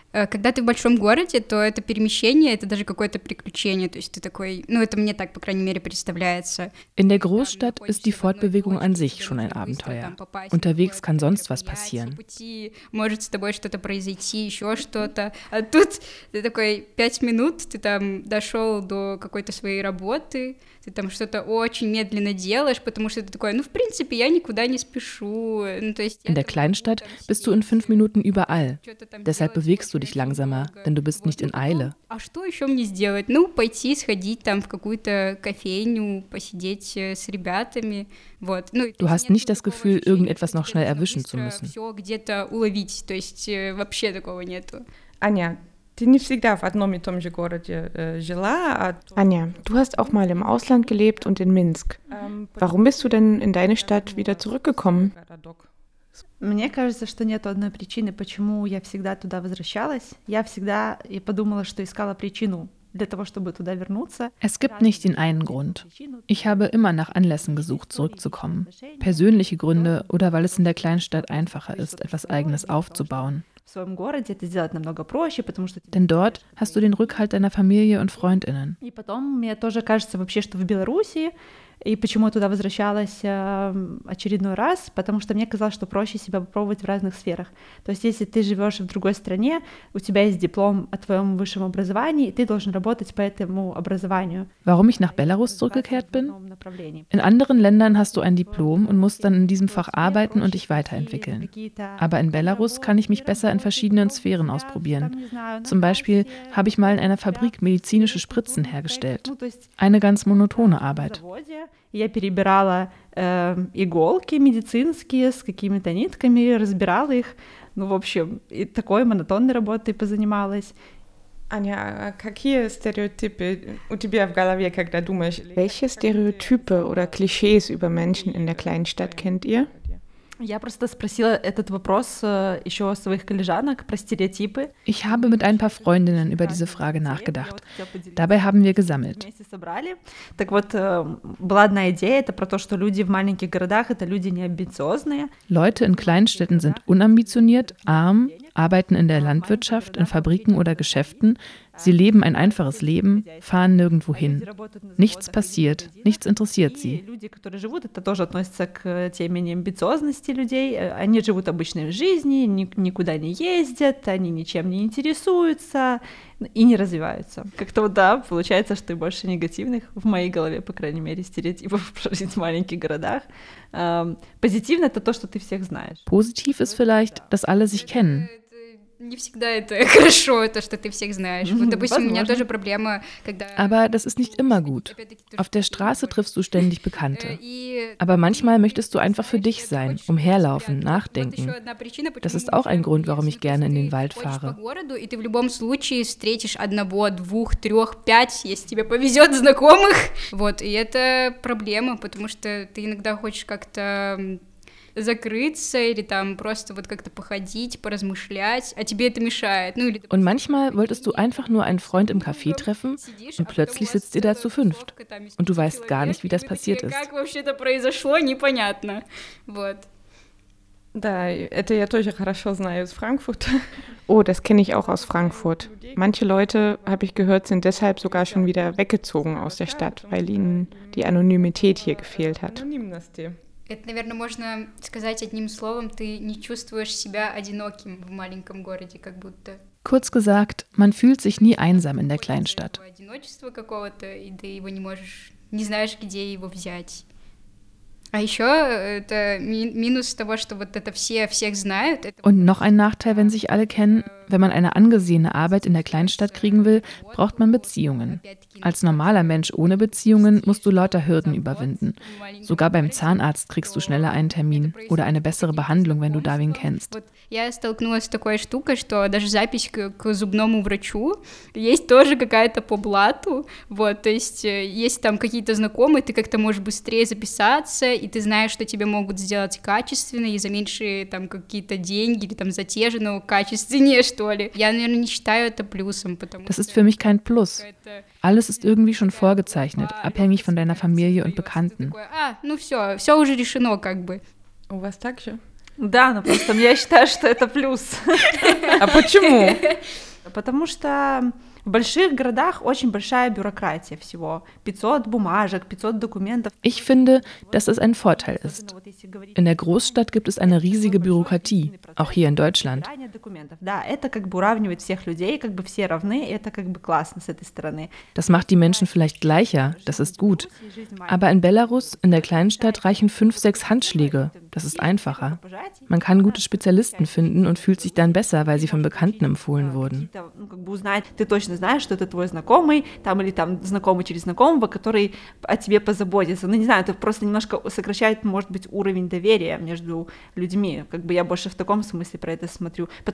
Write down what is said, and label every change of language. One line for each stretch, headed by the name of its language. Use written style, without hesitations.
Russian: Когда ты в большом городе, то это перемещение, это даже какое-то приключение. То есть ты такой, ну это мне так, по крайней мере, представляется.
German: In der Großstadt ist die Fortbewegung an sich schon ein Abenteuer. Unterwegs kann sonst was passieren.
Russian: Может с тобой что-то произойти, еще что-то. А тут ты такой 5 минут, ты там дошел до какой-то своей работы. Ты там что-то очень медленно делаешь, потому что ты такой, ну, в принципе, я никуда не спешу. Ну, то есть,
German: in der Kleinstadt bist du in 5 Minuten überall. Deshalb bewegst du dich langsamer, denn du bist nicht in Eile.
Russian: А что еще мне сделать? Ну, пойти, сходить там в какую-то кофейню, посидеть с ребятами. Вот. Ну,
German: du hast nicht das Gefühl, irgendetwas noch schnell erwischen zu müssen.
Russian: Все где-то уловить, то есть вообще такого нету. Аня, ты не всегда в одном и том же городе жила.
German: Аня, du hast auch mal im Ausland gelebt und in Minsk. Warum bist du denn in deine Stadt wieder zurückgekommen?
Russian: Мне кажется, что нет одной причины, почему я всегда туда возвращалась. Я всегда и подумала, что искала причину для того, чтобы туда вернуться.
German: Es gibt nicht den einen Grund. Ich habe immer nach Anlässen gesucht, zurückzukommen. Persönliche Gründe oder weil es in der Kleinstadt einfacher ist, etwas Eigenes aufzubauen.
Russian: В своем городе это сделать намного проще, потому что...
German: Denn dort hast du den Rückhalt deiner Familie und Freundinnen.
Russian: И потом мне тоже кажется вообще, что в Беларуси, и почему я туда возвращалась очередной раз, потому что мне казалось, что проще себя попробовать в разных сферах. То есть если ты живешь в другой стране, у тебя есть диплом о твоем высшем образовании, и ты должен работать по этому образованию.
German: Warum ich nach Belarus zurückgekehrt bin? In anderen Ländern hast du ein Diplom und musst dann in diesem Fach arbeiten und dich weiterentwickeln. Aber in Belarus kann ich mich besser in verschiedenen Sphären ausprobieren. Zum Beispiel habe ich mal in einer Fabrik medizinische Spritzen hergestellt. Eine ganz monotone Arbeit.
Russian: Я перебирала иголки медицинские с какими-то нитками, разбирала их. Ну, в общем, и такой монотонной работой позанималась. Аня, какие стереотипы у тебя в голове, когда думаешь?
German: Welche Stereotype oder Klischees über Menschen in der Kleinstadt kennt ihr?
Russian: Я просто спросила этот вопрос еще у своих коллежанок про стереотипы.
German: Ich habe mit ein paar Freundinnen über diese Frage nachgedacht. Dabei haben wir gesammelt.
Russian: Так вот, была одна идея, это про то, что люди в маленьких городах, это люди неамбициозные.
German: Leute in Kleinstädten sind unambitioniert, arm, arbeiten in der Landwirtschaft, in Fabriken oder Geschäften. Sie leben ein einfaches Leben, fahren nirgendwo hin. Nichts passiert, nichts interessiert sie.
Russian: Люди, которые живут, это тоже относится к теме неамбициозности людей. Они живут обычной жизнью, никуда не ездят, они ничем не интересуются и не развиваются. Как-то вот да, получается, что и больше негативных в моей голове, по крайней мере, стереотипов прожить в маленьких городах. Позитивно это то, что ты всех знаешь.
German: Positiv ist vielleicht, dass alle sich kennen.
Russian: Не всегда это хорошо, то, что ты всех знаешь. Вот, допустим, возможно. У меня тоже проблема, когда...
German: Aber das ist nicht immer gut. Auf der Straße triffst du ständig Bekannte. Aber manchmal möchtest du einfach für dich sein, umherlaufen, nachdenken. Das ist auch ein Grund, warum ich gerne in den Wald fahre.
Russian: И ты в любом случае встретишь одного, двух, трех, пять, если тебе повезет, знакомых. Вот, и это проблема, потому что ты иногда хочешь как-то... закрыться или там просто вот как-то походить, поразмышлять, а тебе это мешает. Ну, или...
German: Und manchmal wolltest du einfach nur einen Freund im Café treffen und plötzlich sitzt ihr da zu fünft. Und du weißt gar nicht, wie das passiert ist.
Russian: Как вообще это произошло, непонятно. Вот. Да, это я тоже хорошо знаю из Франкфурта.
German: Oh, das kenne ich auch aus Frankfurt. Manche Leute, habe ich gehört, sind deshalb sogar schon wieder weggezogen aus der Stadt, weil ihnen die Anonymität hier gefehlt hat.
Russian: Это, наверное, можно сказать одним словом, ты не чувствуешь себя одиноким в маленьком городе, как будто.
German: Kurz gesagt, man fühlt sich nie einsam in der Kleinstadt.
Russian: Одиночество какого-то, и ты его не можешь, не знаешь, где его взять. А еще это минус того, что вот это все всех знают.
German: Und noch ein Nachteil, wenn sich alle kennen, wenn man eine angesehene Arbeit in der Kleinstadt kriegen will, braucht man Beziehungen. Als normaler Mensch ohne Beziehungen musst du lauter Hürden überwinden. Sogar beim Zahnarzt kriegst du schneller einen Termin oder eine bessere Behandlung, wenn du da wen kennst.
Russian: Я столкнулась с такой штукой, что даже запись к зубному врачу есть тоже какая-то по блату. Вот, то есть есть там какие-то знакомые, ты как-то можешь быстрее записаться, и ты знаешь, что тебе могут сделать качественно и за меньшие там какие-то деньги или там за те же, но качественнее, что ли. Я, наверное, не считаю это плюсом, потому что...
German: Das ist für mich kein Plus. Alles ist irgendwie schon vorgezeichnet, abhängig von deiner Familie und Bekannten.
Russian: А, ну все, все уже решено, как бы. У вас так же? Да, но просто я считаю, что это плюс. А почему? Потому что... В больших городах очень большая бюрократия всего. 500 бумажек, 500 документов.
German: Ich finde, dass es ein Vorteil ist. In der Großstadt gibt es eine riesige Bürokratie, auch hier in Deutschland.
Russian: Да, это как бы уравнивает всех людей, как бы все равны, это как бы классно с этой стороны.
German: Das macht die Menschen vielleicht gleicher, das ist gut. Aber in Belarus, in der Kleinstadt, reichen 5-6 Handschläge, das ist einfacher. Man kann gute Spezialisten finden und fühlt sich dann besser, weil sie von Bekannten empfohlen wurden.
Russian: Знаешь, что это твой знакомый, там или там знакомый через знакомого, который о тебе позаботится. Ну, не знаю, это просто немножко сокращает, может быть, уровень доверия между людьми. Как бы я больше в таком смысле про это смотрю.